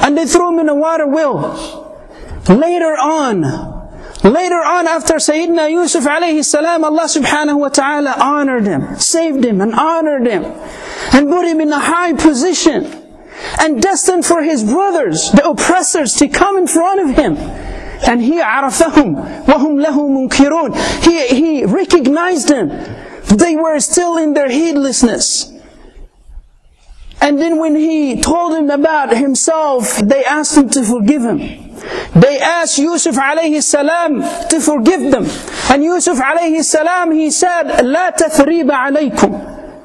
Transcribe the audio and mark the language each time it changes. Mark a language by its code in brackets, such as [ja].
[en] And they threw him in a water wheel. Later on, after Sayyidina Yusuf alayhi salam, Allah subhanahu wa ta'ala honored him, saved him and honored him, and put him in a high position, and destined for his brothers, the oppressors, to come in front of him. And he [ar] عرفهم وهم له منكرون. [en] He recognized them. They were still in their heedlessness. And then when he told them about himself, they asked him to forgive him. They asked Yusuf alayhi salam to forgive them. And Yusuf alayhi salam, he said, [ar] لا تثريب عليكم.